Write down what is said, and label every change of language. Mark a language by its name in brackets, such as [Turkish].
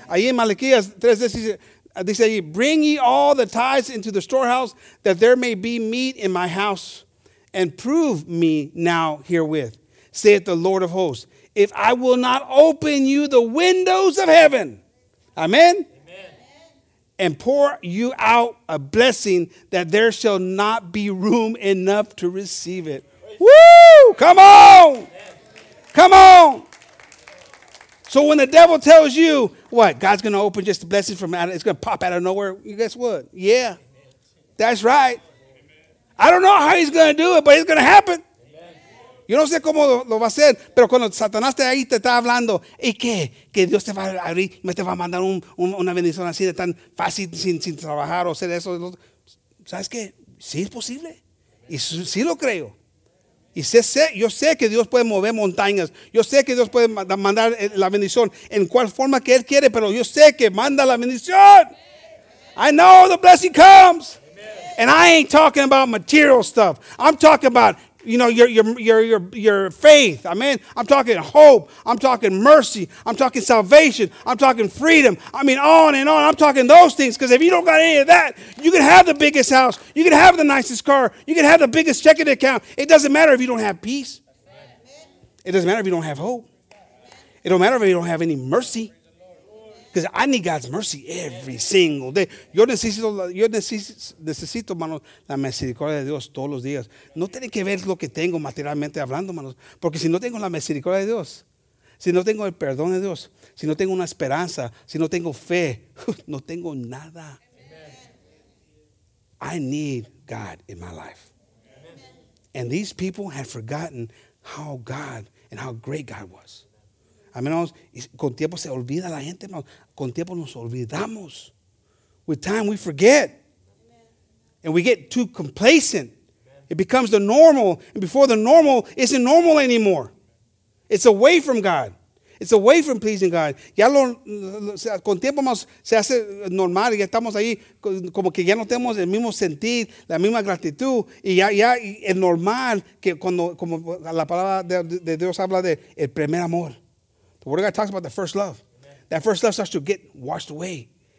[Spanish] Ahí en Malaquías [English] 3:10, they say, bring ye all the tithes into the storehouse that there may be meat in my house, and prove me now herewith, saith the Lord of hosts, if I will not open you the windows of heaven, amen, and pour you out a blessing that there shall not be room enough to receive it. Woo! Come on! Come on! So when the devil tells you, what, God's going to open just the blessing from out of, it's going to pop out of nowhere, you guess what? Yeah. That's right. I don't know how he's going to do it, but it's going to happen. [Spanish] Yo no sé cómo lo va a hacer, pero cuando Satanás está ahí, te está hablando, ¿y qué? Que Dios te va a abrir, me te va a mandar una bendición así de tan fácil sin trabajar o hacer eso. ¿Sabes qué? Sí es posible. Y sí lo creo. Y yo sé que Dios puede mover montañas. Yo sé que Dios puede mandar la bendición en cual forma que Él quiere, pero yo sé que manda la bendición. [English] I know the blessing comes. And I ain't talking about material stuff. I'm talking about, you know, your faith. Amen. I'm talking hope. I'm talking mercy. I'm talking salvation. I'm talking freedom. I mean, on and on. I'm talking those things. Because if you don't got any of that, you can have the biggest house. You can have the nicest car. You can have the biggest checking account. It doesn't matter if you don't have peace. It doesn't matter if you don't have hope. It don't matter if you don't have any mercy. Because I need God's mercy every single day. [Spanish] Yo necesito, hermanos, la misericordia de Dios todos los días. No tiene que ver lo que tengo materialmente hablando, hermanos. Porque si no tengo la misericordia de Dios, si no tengo el perdón de Dios, si no tengo una esperanza, si no tengo fe, no tengo nada. [English] I need God in my life. And these people have forgotten how God and how great God was. [Spanish] Amén. Con tiempo se olvida la gente, hermanos. Con tiempo nos olvidamos. [English] With time we forget. Amen. And we get too complacent. Amen. It becomes the normal. And before the normal isn't normal anymore. It's away from God. It's away from pleasing God. [Spanish] Ya lo, con tiempo más se hace normal. Ya estamos ahí como que ya no tenemos el mismo sentir, la misma gratitud. Y ya, ya es normal que cuando como la palabra de Dios habla de el primer amor. [English] The word of God talks about the first love. Amen. That first love starts to get washed away.